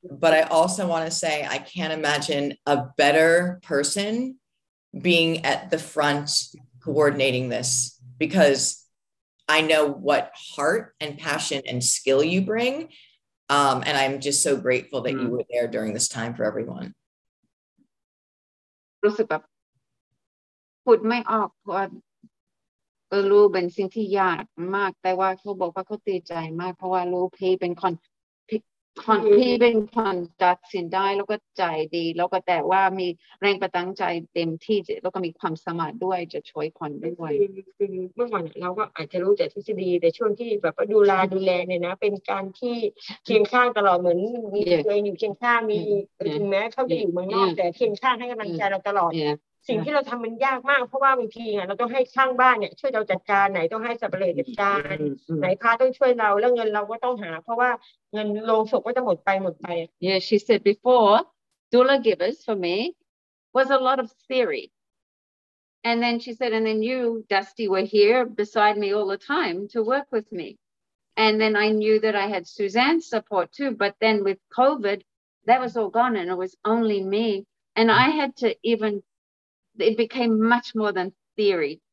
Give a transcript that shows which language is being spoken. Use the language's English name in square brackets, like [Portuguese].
[English] But I also want to say I can't imagine a better person being at the front coordinating this, because I know what heart and passion and skill you bring. And I'm just so grateful that you were there during this time for everyone. [Thai] รู้สึกแบบพูดไม่ออกเพราะก็รู้เป็นสิ่งที่ยากมากแต่ว่าเขาบอกว่าเขาตีใจมากเพราะว่ารู้พี่เป็นคนพี่เป็นคนตัดสินได้แล้วก็ใจดีแล้วก็แต่ว่ามีแรงประทังใจเต็มที่แล้วก็มีความสมาธิด้วยจะช่วยคนด้วย เมื่อก่อนเราก็อาจจะรู้แต่ทฤษฎีแต่ช่วงที่แบบดูแลเนี่ยนะเป็นการที่เคียงข้างตลอดเหมือนมีตัวเองอยู่เคียงข้างมีถึงแม้เขาจะอยู่เมืองนอกแต่เคียงข้างให้กำลังใจเราตลอดสิ่งที่เราทำมันยากมากเพราะว่าบางทีอ่ะเราต้องให้ช่างบ้านเนี่ยช่วยเราจัดการไหนต้องให้สับเปลี่ยนจัดการไหนพาต้องช่วยเราแล้วเงินเราก็ต้องหาเพราะว่าเงินโรงศพก็จะหมดไป [English] Yeah she said before doula givers for me was a lot of theory and then she said and then you Dusty were here beside me all the time to work with me and then I knew that I had Suzanne's support too but then with COVID that was all gone and it was only me and I had to evenIt became much more than theory.